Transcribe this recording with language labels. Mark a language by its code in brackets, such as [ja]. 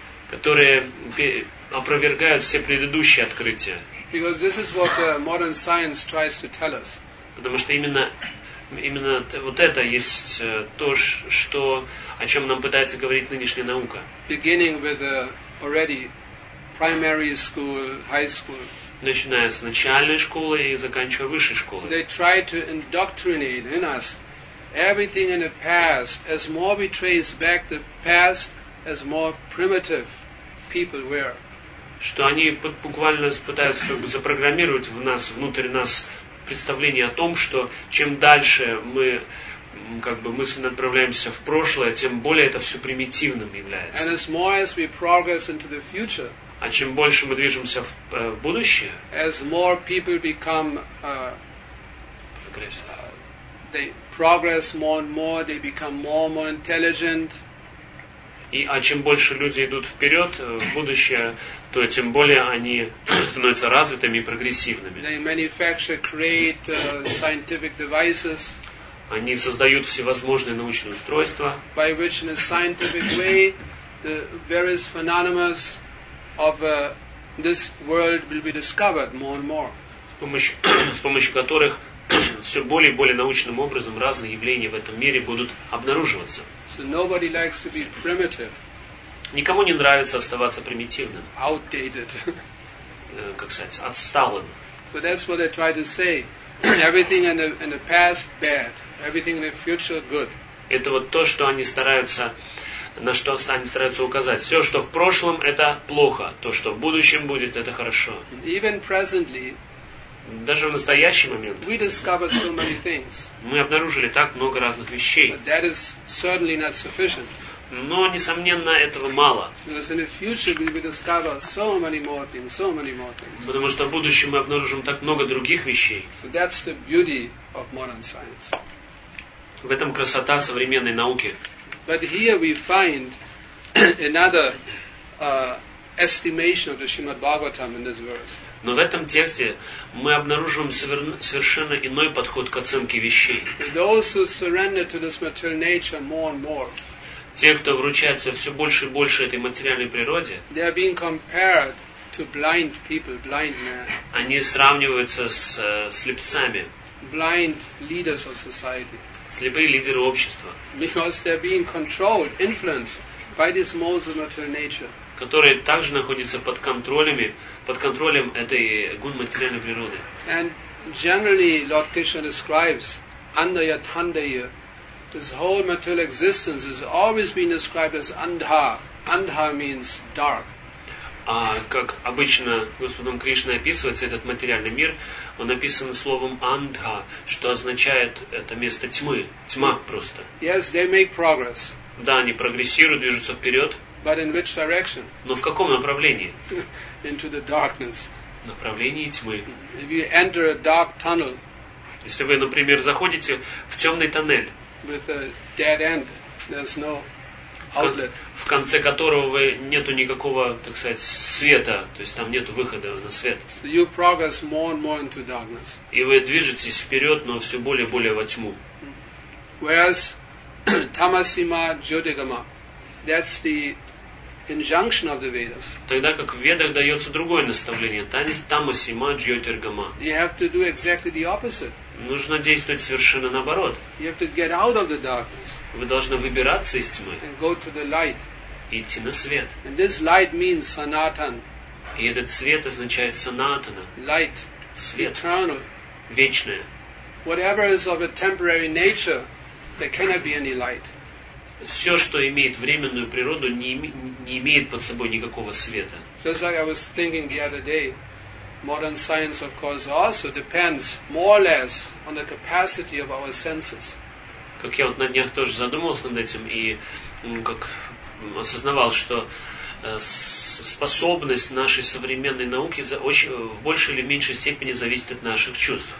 [ru] Которые опровергают все предыдущие открытия. [en] Because this is what modern science tries to tell us. [ru] Потому что именно вот это есть то, что, о чем нам пытается говорить нынешняя наука. [en] Beginning with already primary school, high school. [ru] Начиная с начальной школы и заканчивая высшей школой. [en] They try to indoctrinate in us everything in the past. As more we trace back the past, as more primitive people were. [ru] Что они буквально пытаются запрограммировать в нас, внутрь нас, представление о том, что чем дальше мы как бы мысленно отправляемся в прошлое, тем более это все примитивным является. [en] And as more as we progress into the future, [ru] а чем больше мы движемся в будущее, [en] as more people become progress. They progress more and more, they become more and more intelligent. [ru] И а чем больше люди идут вперед в будущее, то тем более они становятся развитыми и прогрессивными. [en] They manufacture, create scientific devices. [ru] Они создают всевозможные научные устройства. [en] By which in a scientific way the various phenomena of this world will be discovered more and more. [ru] С помощью которых все более и более научным образом разные явления в этом мире будут обнаруживаться. [en] So nobody likes to be primitive. [ru] Никому не нравится оставаться примитивным. [en] Outdated. [ru] Как сказать, отсталым. [en] So that's what I try to say. Everything in the past bad. Everything in the future good. [ru] Это вот то, что они стараются, на что они стараются указать. Все, что в прошлом, это плохо. То, что в будущем будет, это хорошо. [en] Even presently. [ru] Даже в настоящий момент [en] we discovered so many things. [ru] Мы обнаружили так много разных вещей. [en] But that is certainly not sufficient. [ru] Но, несомненно, этого мало. [en] Because in the future we discover so many more things, so many more things. [ru] Потому что в будущем мы обнаружим так много других вещей. [en] So that's the beauty of modern science. [ru] В этом красота современной науки. [en] But here we find another estimation of the Srimad Bhagavatam in this verse. [ru] Но в этом тексте мы обнаруживаем совершенно иной подход к оценке вещей. [en] Those who surrender to this material nature more and more. [ru] Те, кто вручается все больше и больше этой материальной природе, [en] they are being compared to blind people, blind men. [ru] Они сравниваются с слепцами. [en] Blind leaders of society. [ru] Слепые лидеры общества. [en] Because they are being controlled, influenced by this modes of material nature. [ru] Которые также находятся под контролем этой гун материальной природы. [en] And generally, Lord Krishna describes andhaya tandaya. His whole material existence has always been described as andha. Andha means dark. [ru] А как обычно Господом Кришна описывается этот материальный мир, он описан словом andha, что означает это место тьмы, тьма просто. [en] Yes, they make progress. [ru] Да, они прогрессируют, движутся вперед. [en] But in which direction? [ru] Но в каком направлении? [en] Into the darkness. [ru] В направлении тьмы. [en] If you enter a dark tunnel. [ru] Если вы, например, заходите в темный тоннель. [en] With a dead end, there's no outlet. [ru] В конце которого нету никакого, так сказать, света, то есть там нету выхода на свет. [en] So you progress more and more into darkness. [ru] И вы движетесь вперед, но все более и более во тьму. [en] Whereas tamasima jyotigama. That's the injunction of the Vedas. [ru] Тогда как в Ведах дается другое наставление, тамасима джьотиргама. [en] You have to do exactly the opposite. [ru] Нужно действовать совершенно наоборот. [en] You have to get out of the darkness. [ru] Вы должны выбираться из тьмы. [en] And go to the light. [ru] И идти на свет. [en] And this light means sanatan. [ru] И этот свет означает санатана. [en] Light. [ru] Свет. [en] Eternal. [ru] Вечное. [en] Whatever is of a temporary nature, there cannot be any light. [ru] Все, что имеет временную природу, не имеет под собой никакого света. [en] Just like I was thinking the other day, modern science, of course, also depends more or less on the capacity of our senses. [ru] Как я вот на днях тоже задумался над этим и как осознавал, что способность нашей современной науки в большей или меньшей степени зависит от наших чувств.